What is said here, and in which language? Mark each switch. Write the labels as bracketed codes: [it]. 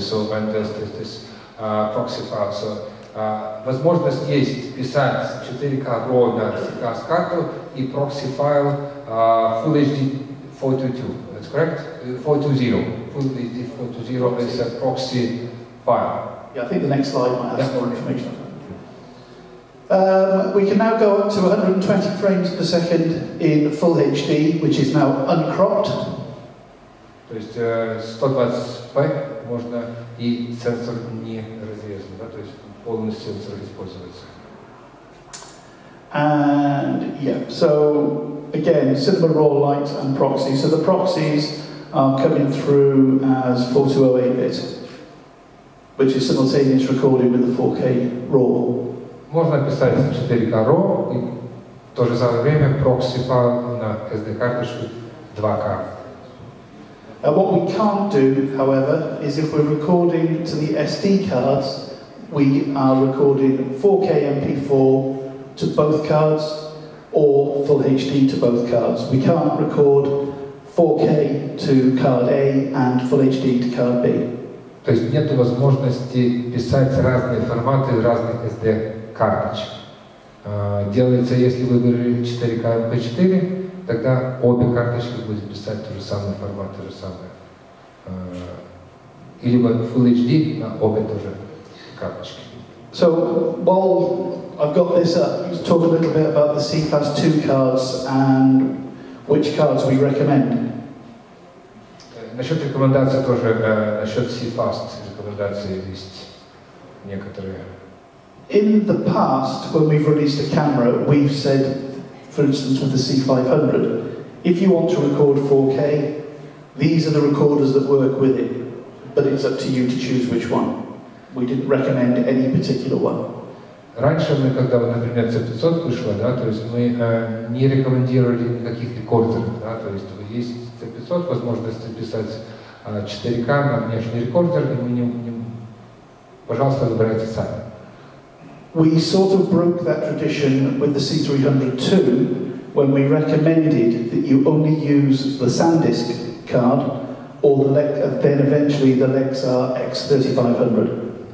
[en] So when there's this proxy file, so [ru] возможность есть писать 4K RAW на CCAS карту и [en] proxy file Full HD 422. That's correct. 420. Full HD 420 is a proxy file. Yeah, I think the next slide might have more information we can now go up to 120 frames per second in Full HD, which is now uncropped. [ru] То есть 120p можно и сенсор не разрезан, да, то есть полностью сенсор используется. [en] And yeah, so again, cinema raw light and proxy. So the proxies are coming through as 4208-bit, which is simultaneous recording with the 4K raw. [ru] Можно писать 4K RAW и в то же самое время прокси файл на SD-карточку 2K. [en] What we can't do, however, is if we're recording to the SD cards, we are recording 4K MP4 to both cards or Full HD to both cards. We can't record 4K to card A and Full HD to card B. [ru] То есть нет возможности писать разные форматы разных SD карточек. Делается, если вы выбрали 4K MP4, тогда обе карточки будут писать тот же самый формат, то же самое. Или Full HD на обе тоже карточки. [en] So, while I've got this up, let's talk a little bit about the CFast 2 cards and which cards we recommend. [ru] Насчет рекомендаций тоже, насчет CFast рекомендации есть некоторые. [en] In the past, when we've released a camera, we've said, for instance, with the C500, if you want to record 4K, these are the recorders that work with it, but it's up to you to choose which one. We didn't recommend any particular one. [ru] Раньше мы, когда, например, C500 вышло, да, то есть мы не рекомендировали никаких рекордеров, да, то есть есть C500, возможность записать 4K на внешний рекордер, и мы не... Пожалуйста, выбирайте сами. [en] We sort of broke that tradition with the C300 II when we recommended that you only use the SanDisk card or the then eventually the Lexar X3500.